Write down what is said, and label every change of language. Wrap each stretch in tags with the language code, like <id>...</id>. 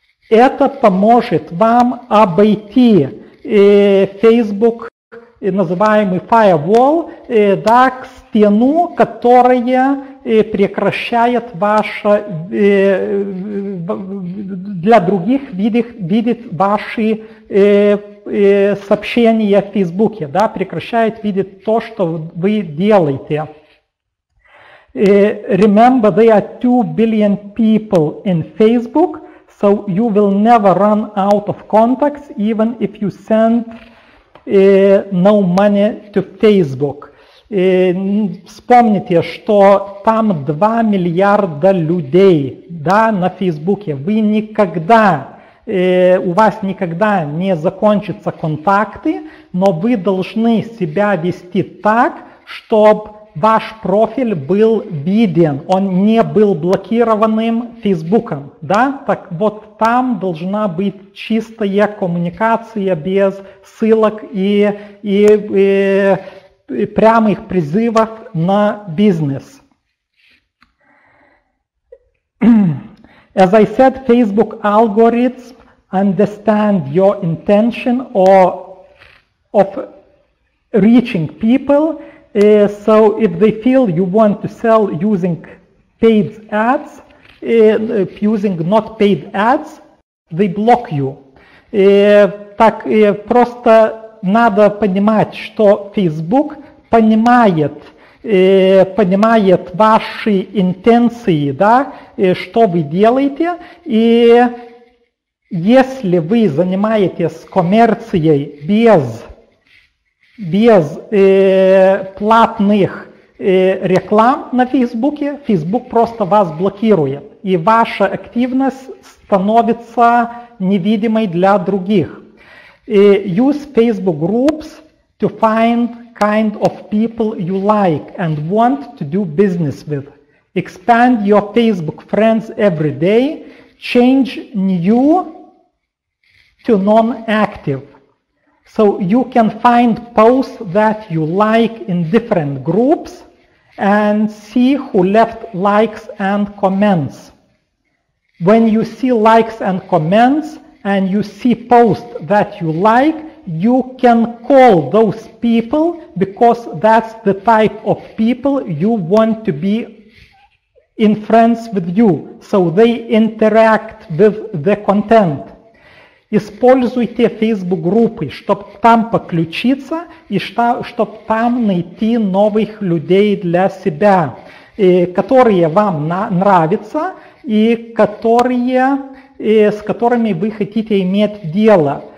<ru>Это поможет вам обойти Facebook, называемый firewall, да, к стену, которая прекращает ваше, для других видит ваши сообщения в Фейсбуке, да, прекращает видит то, что вы делаете.</ru> <en>Remember, there are 2 billion people in Facebook, so you will never run out of contacts, even if you send no money to Facebook.</en> <ru>Вспомните, что там 2 миллиарда людей, да, на Фейсбуке. Вы никогда, у вас никогда не закончатся контакты, но вы должны себя вести так, чтобы ваш профиль был виден, он не был блокированным Фейсбуком, да? Так вот, там должна быть чистая коммуникация без ссылок и прямых призывов на бизнес.</ru> <en>As I said, Facebook algorithms understand your intention of reaching people. So if they feel you want to sell using paid ads, using not paid ads, they block you.</en> <ru>И так и просто надо понимать, что Facebook понимает, понимает ваши интенции, да, и что вы делаете. И если вы занимаетесь коммерцией без платных реклам на Фейсбуке, Фейсбук просто вас блокирует, и ваша активность становится невидимой для других.</ru> <en>Use Facebook groups to find kind of people you like and want to do business with. Expand your Facebook friends every day. Change new to non-active. So you can find posts that you like in different groups and see who left likes and comments. When you see likes and comments and you see posts that you like, you can call those people because that's the type of people you want to be in friends with you. So they interact with the content.</en> <ru>Используйте Facebook группы, чтобы там подключиться и чтобы там найти новых людей для себя, которые вам нравятся и которые, с которыми вы хотите иметь дело.</ru>